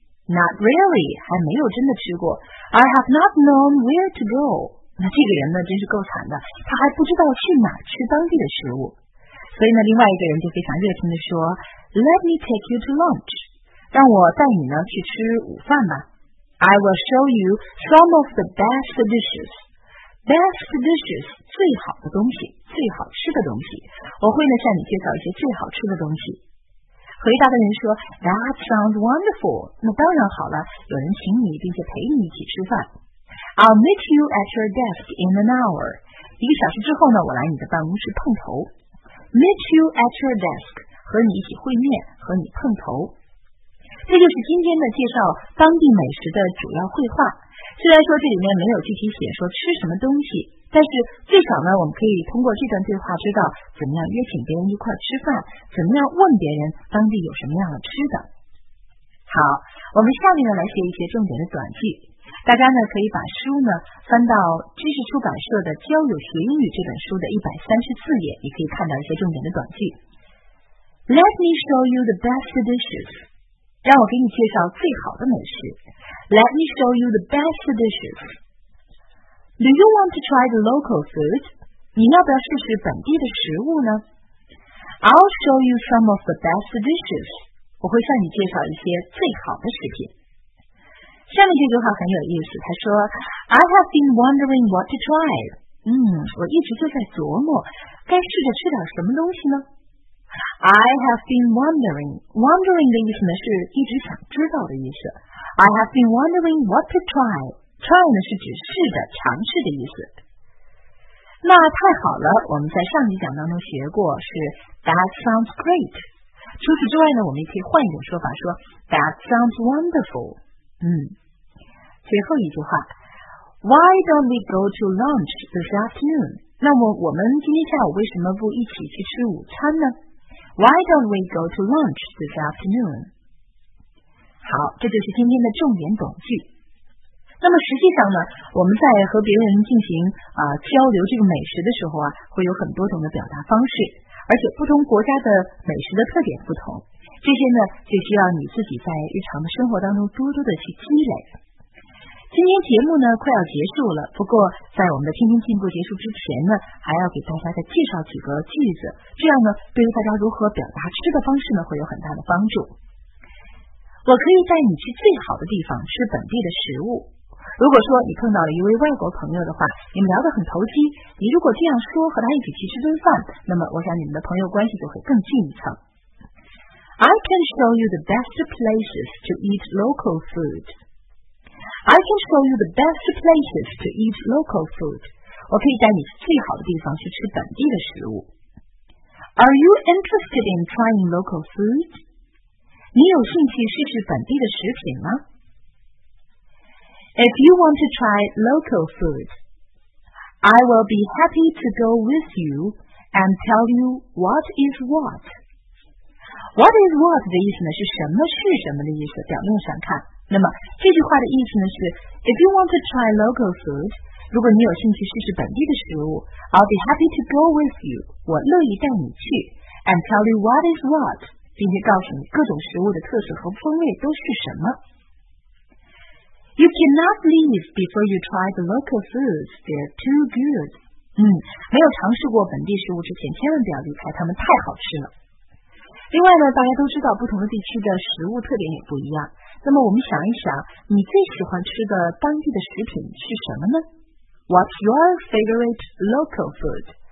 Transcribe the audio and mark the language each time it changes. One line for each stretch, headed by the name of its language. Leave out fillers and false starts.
English: Not really，还没有真的吃过。 I have not known where to go。
Chinese: 那这个人呢真是够惨的，他还不知道去哪儿吃当地的食物。所以呢另外一个人就非常热情地说，
English: Let me take you to lunch，
Chinese: 让我带你呢去吃午饭吧。
English: I will show you some of the best dishes.
Chinese: Best dishes，最好的东西，最好吃的东西。我会呢向你介绍一些最好吃的东西。回答的人说， That sounds wonderful. 那当然好了，有人请你并且陪你一起吃饭。
English: I'll meet you at your desk in an hour.
Chinese: 一个小时之后呢，我来你的办公室碰头。
English: Meet you at your desk，
Chinese: 和你一起会面，和你碰头。这就是今天的介绍当地美食的主要绘画。虽然说这里面没有具体写说吃什么东西，但是最少呢我们可以通过这段对话知道怎么样约请别人一块吃饭，怎么样问别人当地有什么样的吃的。好，我们下面呢来写一些重点的短句。大家呢可以把书呢翻到知识出版社的《交友学英语》这本书的134页，你可以看到一些重点的短句。
English: Let me show you the best dishes，
Chinese: 让我给你介绍最好的美食。
English: Let me show you the best dishes. Do you want to try the local food?
Chinese: 你要不要试试本地的食物呢？
English: I'll show you some of the best dishes.
Chinese: 我会向你介绍一些最好的食品。下面这句话很有意思，他说
English: I have been wondering what to try.
Chinese: 我一直就在琢磨该试着吃点什么东西呢。
English: I have been wondering.
Chinese: Wondering 的意思呢是一直想知道的意思。
English: I have been wondering what to try.
Chinese: Try 呢是指试的、尝试的意思。那太好了，我们在上集讲当中学过是 That sounds great. 除此之外呢，我们也可以换一种说法说 That sounds wonderful. 最后一句话，
English: Why don't we go to lunch this afternoon?
Chinese: 那么我们今天下午为什么不一起去吃午餐呢？
English: Why don't we go to lunch this afternoon?
Chinese: 好，这就是今天的重点短句。那么实际上呢，我们在和别人进行交流这个美食的时候啊，会有很多种的表达方式，而且不同国家的美食的特点不同，这些呢就需要你自己在日常的生活当中多多的去积累。今天节目呢快要结束了，不过在我们的天天进步结束之前呢，还要给大家再介绍几个句子，这样呢对于大家如何表达吃的方式呢会有很大的帮助。我可以带你去最好的地方吃本地的食物。如果说你碰到了一位外国朋友的话，你们聊得很投机，你如果这样说和他一起去吃顿饭，那么我想你们的朋友关系就会更近一层。
English: I can show you the best places to eat local food. I can show you the best places to eat local food.
Chinese: 我可以带你最好的地方去吃本地的食物。
English: Are you interested in trying local food?
Chinese: 你有兴趣试试本地的食品吗？
English: If you want to try local food, I will be happy to go with you and tell you what is what.
Chinese: What is what 的意思呢？是什么是什么的意思？表面上看。那么这句话的意思呢是 If you want to try local food, 如果你有兴趣试试本地的食物， I'll be happy to go with you, 我乐意带你去， and tell you what is what, 并且告诉你各种食物的特色和风味都是什么。
English: You cannot leave before you try the local foods, they're too good.
Chinese: 没有尝试过本地食物之前千万不要离开，它们太好吃了。另外呢，大家都知道不同的地区的食物特点也不一样，那么我们想一想，你最喜欢吃的当地的食品是什么呢？
English: What's your favorite local food?